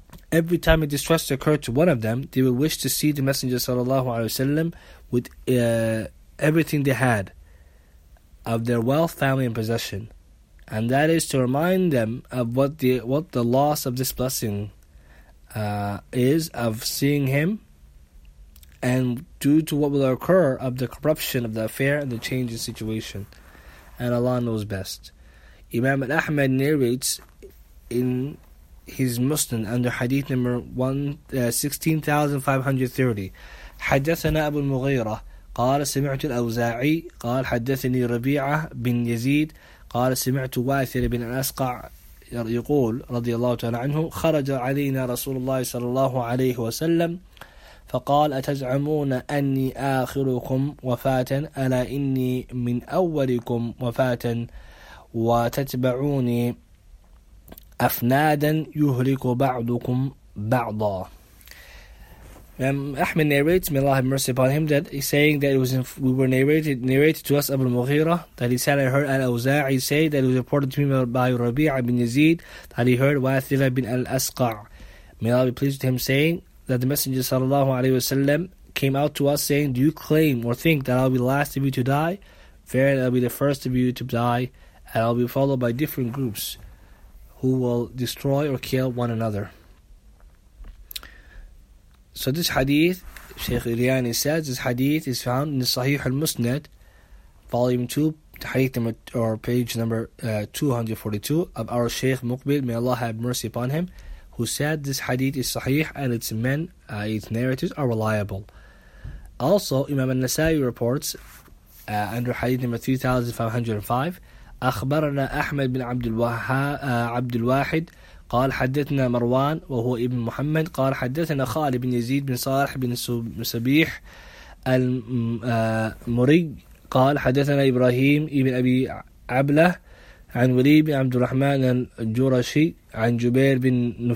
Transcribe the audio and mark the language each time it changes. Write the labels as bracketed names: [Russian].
[English] Every time a distrust occurred to one of them, they would wish to see the Messenger sallallahu alayhi wa sallam with everything they had of their wealth, family and possession. And that is to remind them of what the loss of this blessing is of seeing him, and due to what will occur of the corruption of the affair and the change in situation. And Allah knows best. Imam al-Ahmad narrates in his Musnad under hadith number 16,530, [Arabic] حدثنا أبو المغيرة قال سمعت الأوزاعي قال حدثني ربيعة بن يزيد قال سمعت واثر بن الأسقع يقول رضي الله تعالى عنه خرج علينا رسول الله صلى الله عليه وسلم فقال أتزعمون أني آخركم وفاة ألا إني من أولكم وفاة وتتبعوني أفنادا يهلك بعضكم بعضا. [English] Ahmed narrates, may Allah have mercy upon him, that he's saying that we were narrated to us Abu Mughira, that he said, I heard Al-Awza'i say that it was reported to me by Rabi'a bin Yazid, that he heard Wathila bin Al-Asqa', may Allah be pleased with him, saying that the Messenger sallallahu alayhi wasallam came out to us saying, do you claim or think that I'll be the last of you to die? Verily, I'll be the first of you to die, and I'll be followed by different groups who will destroy or kill one another. So this hadith, Shaykh Iryani says, this hadith is found in the Sahih al-Musnad, volume 2, hadith number, or page number 242, of our Shaykh Muqbil, may Allah have mercy upon him, who said this hadith is Sahih and its men, its narratives are reliable. Also, Imam al-Nasai reports, under hadith number 3505, [Arabic] أَخْبَرَنَا أَحْمَدْ بِنْ عَبْدُ الْوَاحِدْ قال حدثنا مروان وهو ابن محمد قال حدثنا خالد بن يزيد بن صالح بن سبيح المري قال حدثنا إبراهيم ابن أبي عبلة عن ولي بن عبد الرحمن الجرشي عن جبير بن